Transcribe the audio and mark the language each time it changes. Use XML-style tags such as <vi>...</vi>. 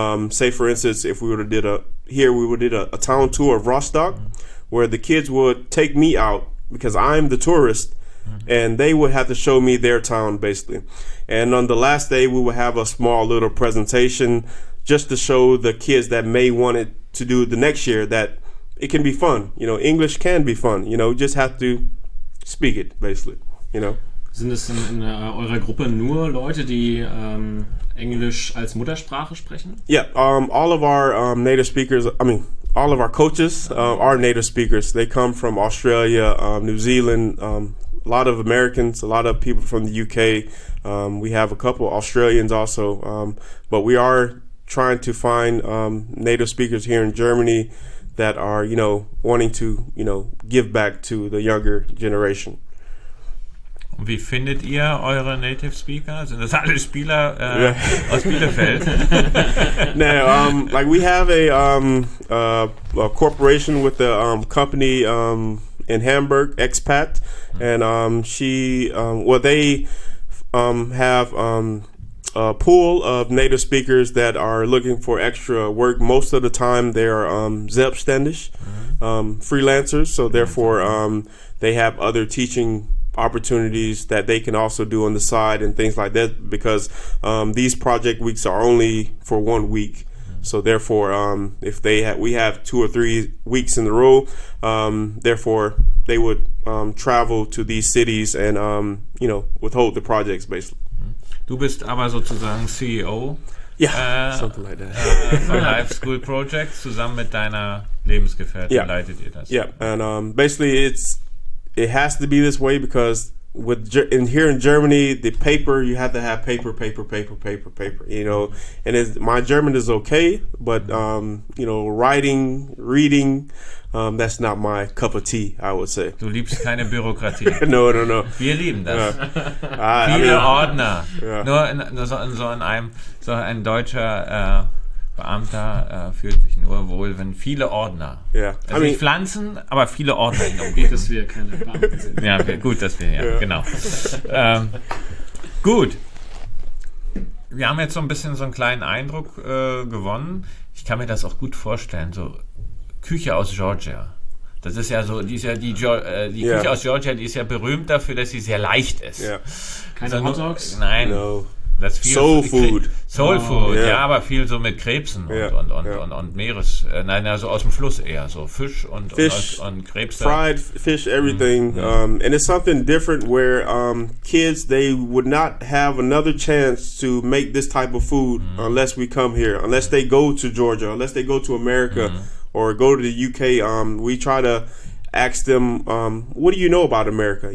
<en>Say, for instance, if we would have did a town tour of Rostock, where the kids would take me out because I'm the tourist, and they would have to show me their town, basically. And on the last day, we would have a small little presentation just to show the kids that may want it to do the next year that it can be fun. You know, English can be fun. You know, just have to speak it, basically. You know?</en> <de>Sind es in eurer Gruppe nur Leute, die Englisch als Muttersprache sprechen?</de> <en>Yeah, all of our native speakers, I mean, all of our coaches are native speakers. They come from Australia, New Zealand, a lot of Americans, a lot of people from the UK. We have a couple Australians also, but we are trying to find native speakers here in Germany that are, you know, wanting to, you know, give back to the younger generation.</en> <de>Und wie findet ihr eure native speaker? Sind das alle Spieler aus Bielefeld?</de> <en>No, like we have a corporation with the company in Hamburg, Expat, and a pool of native speakers that are looking for extra work. Most of the time they are selbstständig, freelancers, so therefore they have other teaching opportunities that they can also do on the side and things like that, because these project weeks are only for 1 week. So therefore, if they we have 2 or 3 weeks in the row, therefore they would travel to these cities and, you know, withhold the projects, basically.</en> <de>Du bist aber sozusagen CEO von Live School Projects zusammen mit deiner Lebensgefährtin leitet ihr das.</de> <en>And basically it has to be this way because here in Germany the paper, you have to have paper, you know. And my German is okay, but you know, writing, reading, that's not my cup of tea, I would say.</en> <de>Du liebst keine Bürokratie.</de> <en>No.</en> <de>Wir lieben das. Ordner.</de> <en>Yeah.</en> <de>Nur ein deutscher Beamter fühlt sich nur wohl, wenn viele Ordner.</de> <en>Yeah.</en> <de>Also nicht Pflanzen, aber viele Ordner. Gut, dass wir keine Beamten sind. Ja, gut, dass wir, genau. Gut. Wir haben jetzt so ein bisschen so einen kleinen Eindruck gewonnen. Ich kann mir das auch gut vorstellen. So Küche aus Georgia. Das ist ja so, die ist ja die, die Küche aus Georgia, die ist ja berühmt dafür, dass sie sehr leicht ist. Keine Hot Dogs? Nein.</de> <en>No.</en> <de>Das viel Soul Food. Soul Food, ja, aber viel so mit Krebsen und Meeres. Nein, also aus dem Fluss eher. So Fisch und,</de> <en>Fish,</en> <de>und Krebs.</de> <en>Fried fish, everything. Mm-hmm. And it's something different where kids, they would not have another chance to make this type of food unless we come here, unless they go to Georgia, unless they go to America or go to the UK. We try to ask them, what do you know about America?</en>